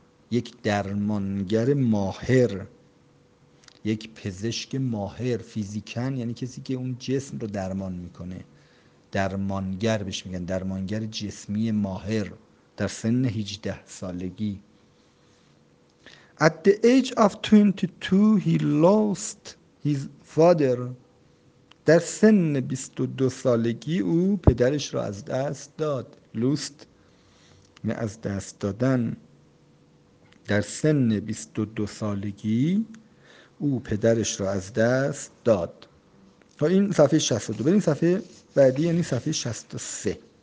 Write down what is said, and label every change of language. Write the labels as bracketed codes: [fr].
[fa] یک درمانگر ماهر، یک پزشک ماهر. فیزیکن یعنی کسی که اون جسم رو درمان میکنه، درمانگر بهش میگن، درمانگر جسمی ماهر در سن 18 سالگی. [en] At the age of 22 he lost his father. [fa] در سن 22 سالگی او پدرش را از دست داد. lost از دست دادن. در سن 22 سالگی او پدرش را از دست داد. تا این صفحه 62، بریم صفحه بعدی، یعنی صفحه 63.